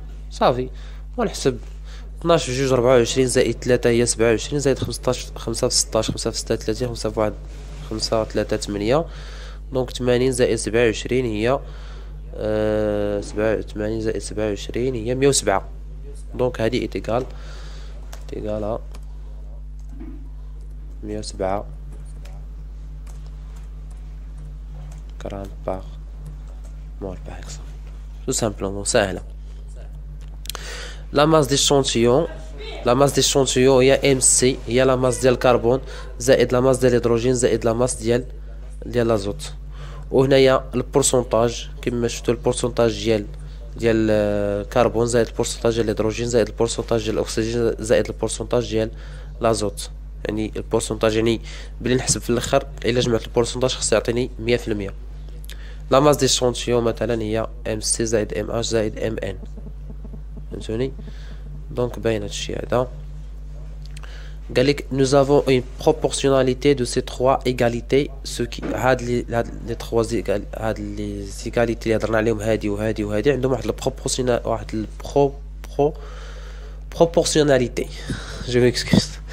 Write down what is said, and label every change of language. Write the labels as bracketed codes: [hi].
[ar] صافي ونحسب 12 في جوج 24 زائد 3 هي 27 زائد 15 5 في 16 5 في 6 30 5 في 1 5 و 3 8 دونك 80 زائد 27 هي 87 زائد 27 هي 107 دونك هذه ايتيكال ايتيكالا 107 40 باغ مور باغ اكزومبل تو سامبلومون ساهله. [fr] La masse d'échantillon il y a MC, il y a la masse du carbone, زائد la masse de l'hydrogène, زائد la masse de l'azote. Ou il y a le pourcentage, comme je le pourcentage du carbone, زائد le pourcentage de l'hydrogène, زائد le pourcentage de l'oxygène, زائد le pourcentage de l'azote. [ar] يعني [fr] le pourcentage, [ar] يعني بلي نحسب في الاخر الا جمعت le pourcentage خص يعطيني 100%. [fr] La masse d'échantillon [ar] مثلا هي MC زائد MH زائد MN. فهمتوني؟ دونك باين هاد الشيء هذا. قال لك نو زافون اون بروبورسيوناليتي دو سي 3 ايغاليتي سو كي هاد لي هاد لي 3 هاد لي ايغاليتي اللي هضرنا عليهم هادي وهادي وهادي عندهم واحد البروبورسيونال واحد البرو برو بروبورسيوناليتي جو ميكسكوز.